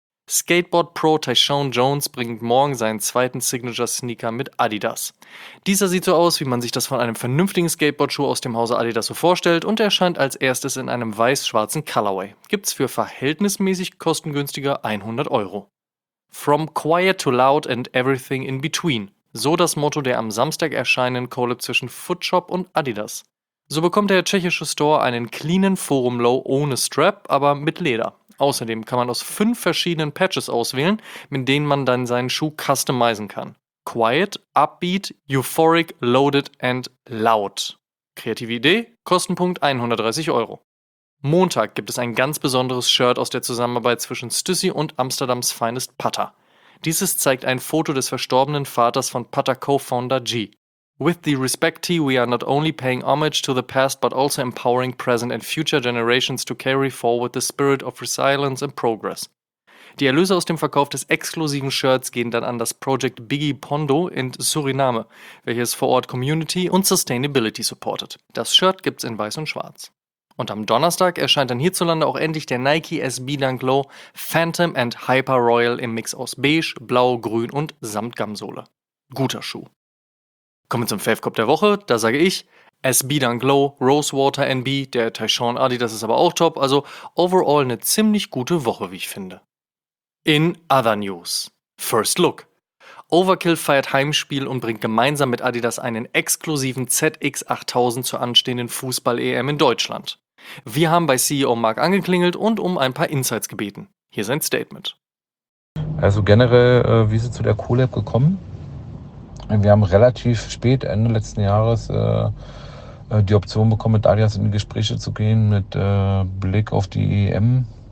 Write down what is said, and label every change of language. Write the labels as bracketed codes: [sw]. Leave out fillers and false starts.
[de] Skateboard-Pro Tyshawn Jones bringt morgen seinen 2. Signature-Sneaker mit Adidas. Dieser sieht so aus, wie man sich das von einem vernünftigen Skateboard-Schuh aus dem Hause Adidas so vorstellt und erscheint als erstes in einem weiß-schwarzen Colorway. Gibt's für verhältnismäßig kostengünstiger 100 Euro. [en] From Quiet to Loud and Everything in Between. [de] So das Motto der am Samstag erscheinenden Collab zwischen Footshop und Adidas. So bekommt der tschechische Store einen cleanen Forum-Low ohne Strap, aber mit Leder. Außerdem kann man aus 5 verschiedenen Patches auswählen, mit denen man dann seinen Schuh customizen kann. [en] Quiet, Upbeat, Euphoric, Loaded and Loud. [de] Kreative Idee, Kostenpunkt 130 Euro. Montag gibt es ein ganz besonderes Shirt aus der Zusammenarbeit zwischen Stüssy und Amsterdams Finest Putter. Dieses zeigt ein Foto des verstorbenen Vaters von Putter Co-Founder G. [en] With the Respect Tee, we are not only paying homage to the past, but also empowering present and future generations to carry forward the spirit of resilience and progress. [de] Die Erlöse aus dem Verkauf des exklusiven Shirts gehen dann an das Project Biggie Pondo in Suriname, welches vor Ort Community und Sustainability supportet. Das Shirt gibt's in Weiß und Schwarz. Und am Donnerstag erscheint dann hierzulande auch endlich der Nike SB Dunk Low Phantom and Hyper Royal im Mix aus Beige, Blau, Grün und Samtgamsole. Guter Schuh. Kommen wir zum Favecop der Woche, da sage ich SB Dunk Low, Rosewater NB, der Tyshawn Adi, das ist aber auch top, also overall eine ziemlich gute Woche, wie ich finde. [en] In other news, first look. [de] Overkill feiert Heimspiel und bringt gemeinsam mit Adidas einen exklusiven ZX 8000 zur anstehenden Fußball-EM in Deutschland. Wir haben bei CEO Mark angeklingelt und um ein paar Insights gebeten. Hier sein Statement. Also generell, wie sie zu der Co-Lab gekommen? Wir haben relativ spät, Ende letzten Jahres, die Option bekommen, mit Adidas in die Gespräche zu gehen, mit Blick auf die EM.